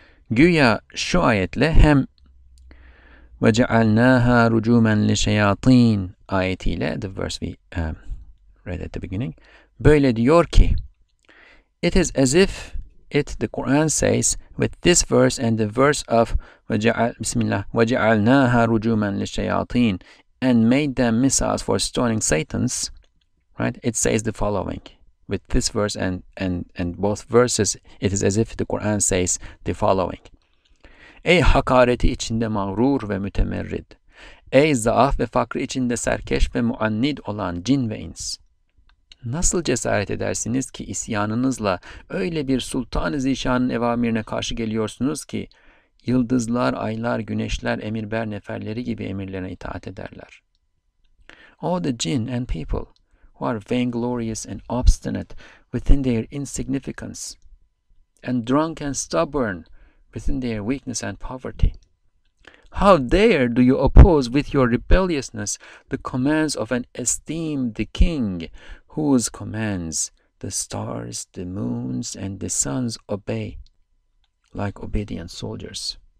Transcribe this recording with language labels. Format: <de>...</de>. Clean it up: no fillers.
<tr>Güya şu ayetle hem ve cealnaha rucumen li şeyatin ayetiyle,</tr> <en>the verse we read at the beginning,</en> <tr>böyle diyor ki,</tr> <en>it is as if it, the Quran says, with this verse and the verse of Bismillah,</en> <ar>وَجَعَلْنَاهَا رُجُومًا لِلشَّيَاطِينَ,</ar> <en>and made them missiles for stoning Satans, right? It says the following. With this verse and both verses, it is as if the Quran says the following.</en> <tr>Ey hakareti içinde mağrur ve mütemerrid, ey zaaf ve fakri içinde serkeş ve muannid olan cin ve ins. Nasıl cesaret edersiniz ki isyanınızla öyle bir sultan-ı zişanın evamirine karşı geliyorsunuz ki yıldızlar, aylar, güneşler, emirber neferleri gibi emirlerine itaat ederler.</tr> <en>All the jinn and people who are vainglorious and obstinate within their insignificance and drunk and stubborn within their weakness and poverty. How dare do you oppose with your rebelliousness the commands of an esteemed king whose commands the stars, the moons, and the suns obey like obedient soldiers.</en>